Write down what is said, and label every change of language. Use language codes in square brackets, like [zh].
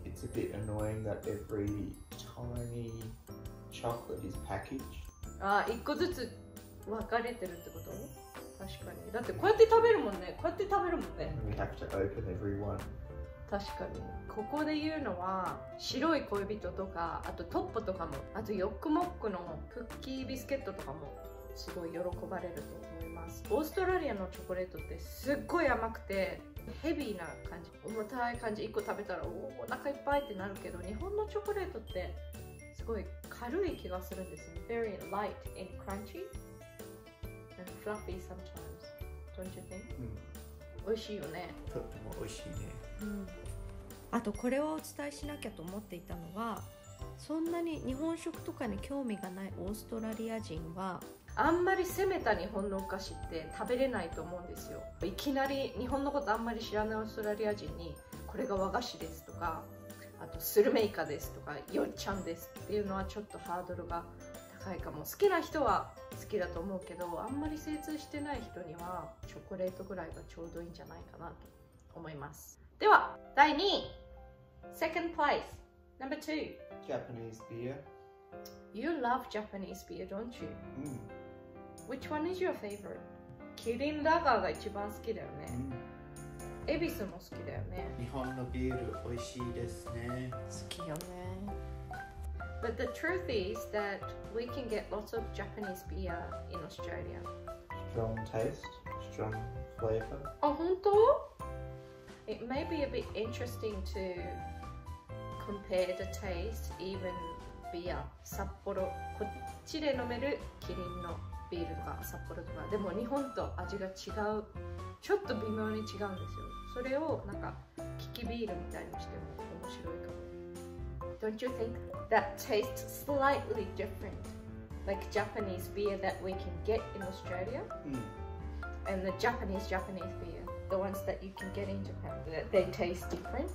[en] It's a bit annoying that every tiny chocolate is packaged. [ja] ああ、一個ずつ分かれてるってこと？確かに。だってこうやって食べるもんね。こうやって食べるもんね。 [en] We have to open every one. [ja] 確かに。ここで言うのは白い恋人とか、あとトッポとかも、あとヨックモックのクッキービスケットとかもすごい喜ばれると思います。オーストラリアのチョコレートってすっごい甘くてヘビーな感じ、重たい感じ、1個食べたらおお腹いっぱいってなるけど、日本のチョコレートってすごい軽い気がするんですね。 [en] Very light and crunchy and fluffy sometimes, don't you think?、 Mm. [ja] 美味しいよね。とっても美味しいね、うん、あとこれはお伝えしなきゃと思っていたのは、そんなに日本食とかに興味がないオーストラリア人はあんまり攻めた日本のお菓子って食べれないと思うんですよ。いきなり日本のことあんまり知らないオーストラリア人にこれが和菓子ですとか、あとスルメイカですとかヨッチャンですっていうのはちょっとハードルが高いかも。好きな人は好きだと思うけど、あんまり精通してない人にはチョコレートぐらいがちょうどいいんじゃないかなと思います。では第2位、 [en] Second place Number 2、 Japanese beer. You love Japanese beer, don't you?、 Mm. Which one is your favorite? [ja] キリンラガーが一番好きだよね、 mm. エビスも好きだよね。日本のビール美味しいですね。好きよね。 [en] But the truth is that we can get lots of Japanese beer in Australia. Strong taste, strong flavor. Oh, [ja] 本当? [en] It may be a bit interesting to compare the taste, even beer. [ja] Sapporo, こっちで飲めるキリンのビールとか、札幌とか。でも日本と味が違う。ちょっと微妙に違うんですよ。それをなんか、キキビールみたいにしても面白いかも。 [en] Don't you think that tastes slightly different, like Japanese beer that we can get in Australia?、 Mm. And the Japanese beer, the ones that you can get in Japan, they taste different?